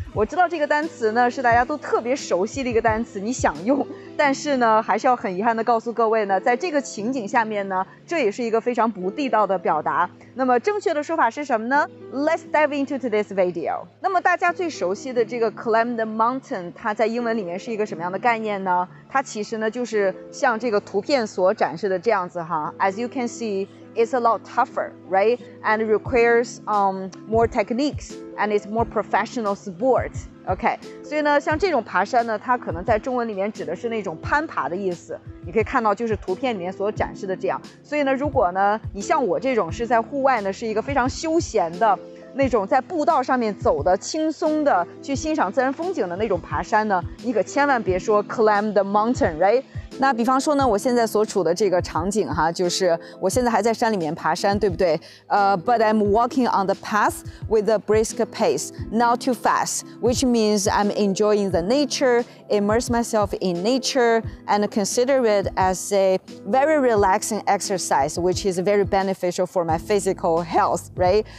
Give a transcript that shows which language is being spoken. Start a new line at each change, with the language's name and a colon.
Chinese: 我知道这个单词呢是大家都特别熟悉的一个单词，你想用，但是呢，还是要很遗憾的告诉各位呢，在这个情景下面呢，这也是一个非常不地道的表达。那么正确的说法是什么呢？
English: Let's dive into today's video。
Chinese: 那么大家最熟悉的这个 climb the mountain， 它在英文里面是一个什么样的概念呢？它其实呢就是像这个图片所展示的这样子哈。
English: As you can see, it's a lot tougher, right? And requires more techniques, and it's more professional sport.
Chinese: Okay, 所以呢像这种爬山呢，它可能在中文里面指的是那种攀爬的意思，你可以看到就是图片里面所展示的这样。所以呢，如果呢你像我这种是在户外呢，是一个非常休闲的那种在步道上面走的轻松的去欣赏自然风景的那种爬山呢，你可千万别说 climb the mountain, right? 那比方说呢，我现在所处的这个场景哈，就是我现在还在山里面爬山，对不对？
English: But I'm walking on the path with a brisk pace, not too fast, which means I'm enjoying the nature, immerse myself in nature, and consider it as a very relaxing exercise, which is very beneficial for my physical health, right?